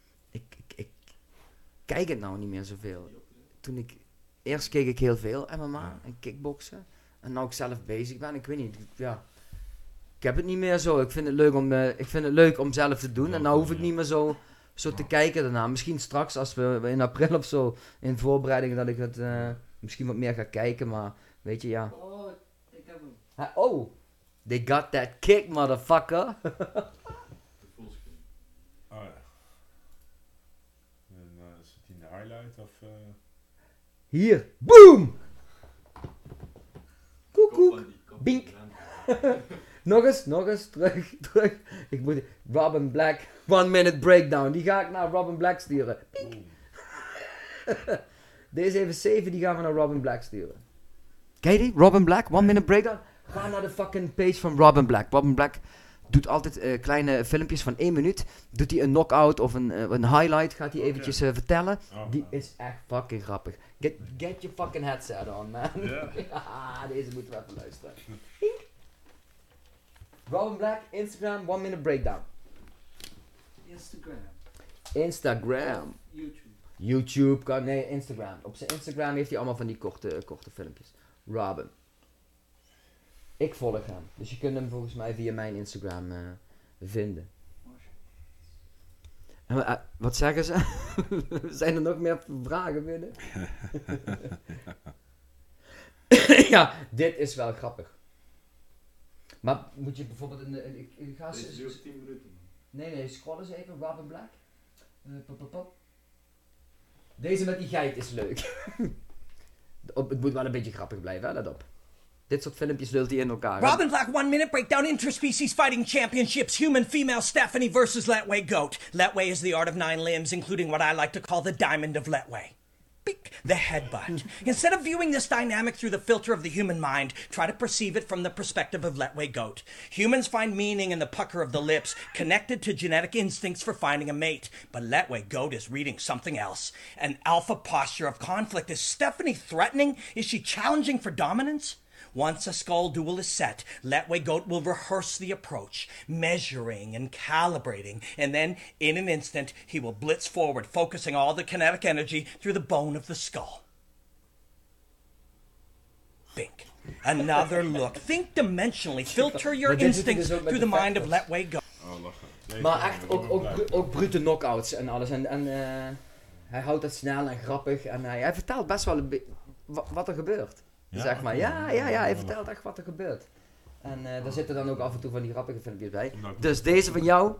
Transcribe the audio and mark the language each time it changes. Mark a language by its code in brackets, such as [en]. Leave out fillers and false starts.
[nl] Ik kijk het nou niet meer zoveel. Eerst keek ik heel veel MMA en kickboksen, en nu ik zelf bezig ben, ik weet niet, ik heb het niet meer zo. Ik vind het leuk om zelf te doen, ik niet meer zo te kijken daarna. Misschien straks als we in april of zo in voorbereiding dat ik het misschien wat meer ga kijken, maar weet je, ja. Oh, ik heb hem. [en] They got that kick, motherfucker. [nl] De fullscreen. Oh ja. En is het in de highlight of... Hier. Boom! Koekoek. Bink. Nog eens. Terug. Ik moet... Robin Black. [en] 1 minute breakdown. [nl] Die ga ik naar Robin Black sturen. Deze even 7, die gaan we naar Robin Black sturen. Ken die? Robin Black? 1 minute breakdown? Ga naar de fucking page van Robin Black. Robin Black doet altijd kleine filmpjes van 1 minuut. Doet hij een knockout of een highlight. Gaat hij eventjes vertellen. Oh, die is echt fucking grappig. [en] Get your fucking headset on, man. Yeah. [nl] Deze moeten we even luisteren. Robin Black, Instagram, 1 minute breakdown. Instagram. YouTube. Instagram. Op zijn Instagram heeft hij allemaal van die korte filmpjes. Robin. Ik volg hem. Dus je kunt hem volgens mij via mijn Instagram vinden. En, wat zeggen ze? Zijn er nog meer vragen binnen? Ja, dit is wel grappig. Maar moet je bijvoorbeeld... Ik ga 10 minuten. Nee, scroll eens even, Robin Black. Deze met die geit is leuk. Het moet wel een beetje grappig blijven, hè? Let op. Dit soort filmpjes lult hij in elkaar. [en] Robin Black, 1 minute breakdown, interspecies fighting championships, human female Stephanie versus Letway Goat. Letway is the art of 9 limbs, including what I like to call the diamond of Letway. beak, the headbutt. Instead of viewing this dynamic through the filter of the human mind, try to perceive it from the perspective of Letway Goat. Humans find meaning in the pucker of the lips, connected to genetic instincts for finding a mate. But Letway Goat is reading something else. An alpha posture of conflict. Is Stephanie threatening? Is she challenging for dominance? Once a skull duel is set, Letway Goat will rehearse the approach, measuring and calibrating, and then, in an instant, he will blitz forward, focusing all the kinetic energy through the bone of the skull. Bink. Another look. Think dimensionally. Filter your instincts through the mind of Letway Goat. [nl] Oh, maar echt ook brute knockouts en alles. Hij houdt dat snel en grappig. En hij vertelt best wel wat er gebeurt. Ja, zeg maar, ja, hij vertelt echt wat er gebeurt. En daar zitten dan ook af en toe van die grappige filmpjes bij. Dus deze van jou,